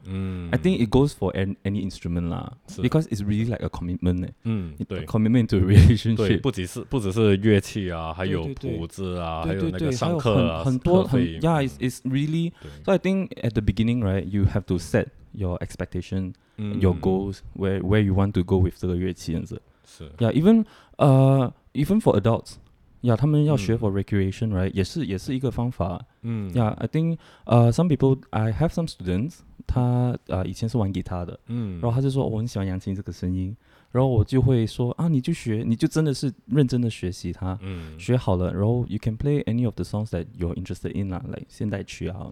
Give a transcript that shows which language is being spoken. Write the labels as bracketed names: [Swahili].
[English] I think it goes for any instrument 啦， because it's really like a commitment. [Chinese] 对， [English] commitment to a relationship. [Chinese] 对，不只是乐器啊，还有谱子啊，还有那个上课啊，很多 [English] it's really. So I think at the beginning, right, you have to set your expectation, your goals, where you want to go with [Chinese] 这个乐器样子。是。 [English] Yeah, even for adults. Yeah, [Chinese] 他们要学 [English] for recreation, right? [Chinese] 也是一个方法。 [English] Yeah, I think some people, I have some students, [Chinese] 他以前是玩吉他的。然后他就说、我很喜欢扬琴这个声音。然后我就会说啊，你就学，你就真的是认真的学习它。学好了，然后 [English] you can play any of the songs that you're interested in, like [Chinese] 现代曲啊。